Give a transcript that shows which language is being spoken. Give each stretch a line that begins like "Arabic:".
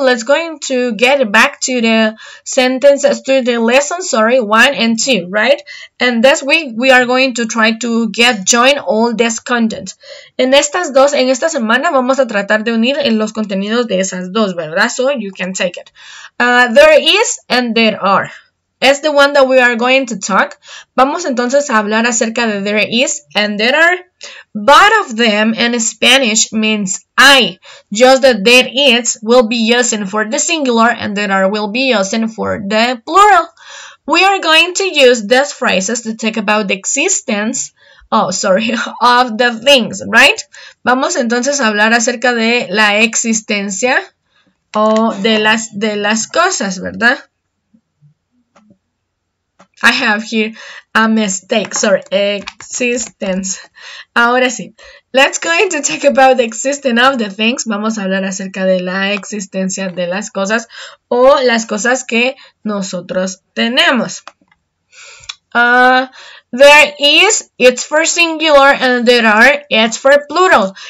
English: Let's going to get back to the sentences, to the lesson, sorry, 1 and 2, right? And this week, we are going to try to get join all this content.
Spanish: En estas dos, en esta semana, vamos a tratar de unir en los contenidos de esas dos, ¿verdad?
English: So, you can take it. There is and there are. It's the one that we are going to talk.
Spanish: Vamos entonces a hablar acerca de
English: there is and there are. Both of them in Spanish means I. Just that there is will be used for the singular and there are will be used for the plural. We are going to use these phrases to talk about the existence of the things, right?
Spanish: Vamos entonces a hablar acerca de la existencia o de las cosas, ¿verdad?
English: I have here a mistake, sorry, existence.
Spanish: Ahora sí,
English: let's go to talk about the existence of the things.
Spanish: Vamos a hablar acerca de la existencia de las cosas o las cosas que nosotros tenemos.
English: There is, it's for singular, and there are, it's for plural.